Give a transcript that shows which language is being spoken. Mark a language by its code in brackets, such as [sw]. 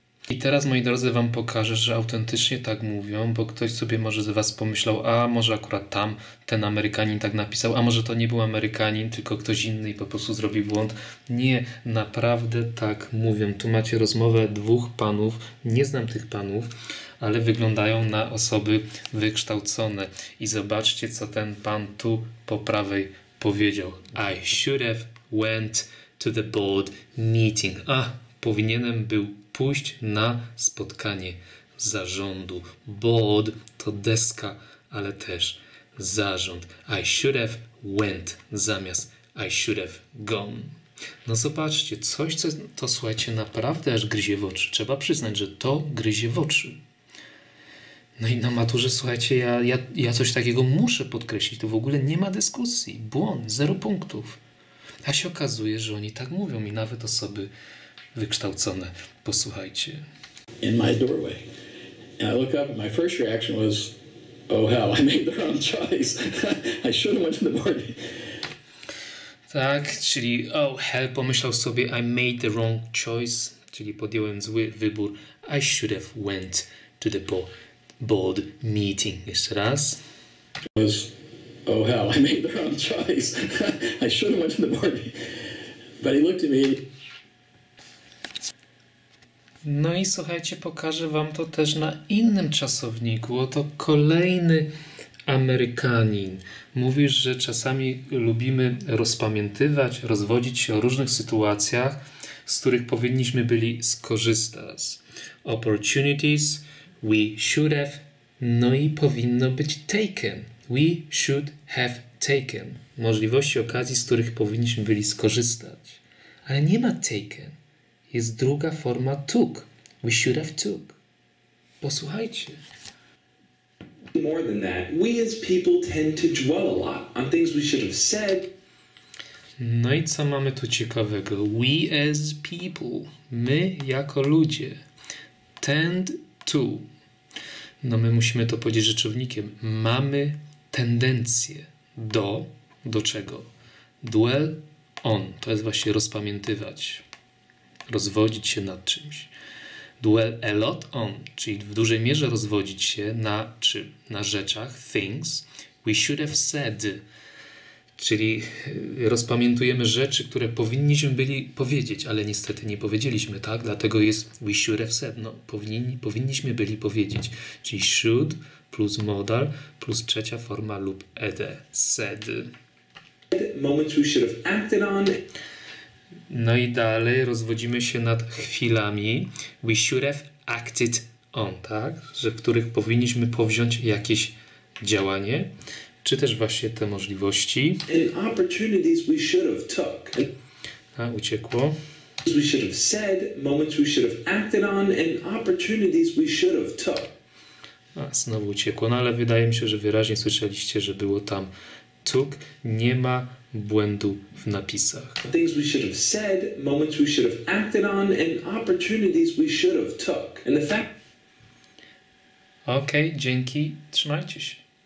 [pl] I teraz, moi drodzy, wam pokażę, że autentycznie tak mówią, bo ktoś sobie może z was pomyślał, a może akurat tam ten Amerykanin tak napisał, a może to nie był Amerykanin, tylko ktoś inny i po prostu zrobił błąd. Nie, naprawdę tak mówią. Tu macie rozmowę dwóch panów, nie znam tych panów, ale wyglądają na osoby wykształcone. I zobaczcie, co ten pan tu po prawej powiedział. [en] I should have went to the board meeting. [pl] A, powinienem był pójść na spotkanie zarządu. Board to deska, ale też zarząd. [en] I should have went [pl] zamiast [en] I should have gone. [pl] No zobaczcie, coś, co to słuchajcie, naprawdę aż gryzie w oczy. Trzeba przyznać, że to gryzie w oczy. No i na maturze, słuchajcie, ja coś takiego muszę podkreślić. To w ogóle nie ma dyskusji. Błąd, zero punktów. A się okazuje, że oni tak mówią i nawet osoby wykształcone. Posłuchajcie. [en] In my doorway. And I look up and my first reaction was, oh hell, I made the wrong choice. I should have went to the board. [pl] Tak, czyli [en] oh hell, [pl] pomyślał sobie, [en] I made the wrong choice, [pl] czyli podjąłem zły wybór. [en] I should have went to the board meeting. [pl] Jeszcze raz. [en] Was, oh hell, I made the wrong choice. I should have went to the board. But he looked at me. [pl] No i słuchajcie, pokażę wam to też na innym czasowniku. Oto kolejny Amerykanin. Mówisz, że czasami lubimy rozpamiętywać, rozwodzić się o różnych sytuacjach, z których powinniśmy byli skorzystać. [en] Opportunities we should have, [pl] no i powinno być [en] taken. We should have taken. [pl] Możliwości, okazji, z których powinniśmy byli skorzystać. Ale nie ma taken. Jest druga forma took. [en] We should have took. [pl] Posłuchajcie. [en] More than that, we as people tend to dwell a lot on things we should have said. [pl] No i co mamy tu ciekawego? [en] We as people, [pl] my jako ludzie, [en] tend to. [pl] No my musimy to powiedzieć rzeczownikiem. Mamy tendencję do czego? Dwell on, to jest właśnie rozpamiętywać. Rozwodzić się nad czymś. [en] Dwell a lot on, [pl] czyli w dużej mierze rozwodzić się na czym? Na rzeczach, [en] things we should have said. [pl] Czyli rozpamiętujemy rzeczy, które powinniśmy byli powiedzieć, ale niestety nie powiedzieliśmy, tak? Dlatego jest [en] we should have said. [pl] No, powinniśmy byli powiedzieć. Czyli should plus modal plus trzecia forma lub ed, said. [en] Moments we should have acted on. [pl] No i dalej rozwodzimy się nad chwilami. [en] We should have acted on, [pl] tak? Że w których powinniśmy powziąć jakieś działanie, czy też właśnie te możliwości. [en] And opportunities we should have took. [pl] A, uciekło. [en] We should have said, moments we should have acted on, and opportunities we should have took. [pl] A, znowu uciekło, no ale wydaje mi się, że wyraźnie słyszeliście, że było tam took. Nie ma błędu w napisach. [en] Things we should have said, moments we should have acted on, and opportunities we should have took. And the fact. [pl] Okay, dzięki. Trzymajcie się.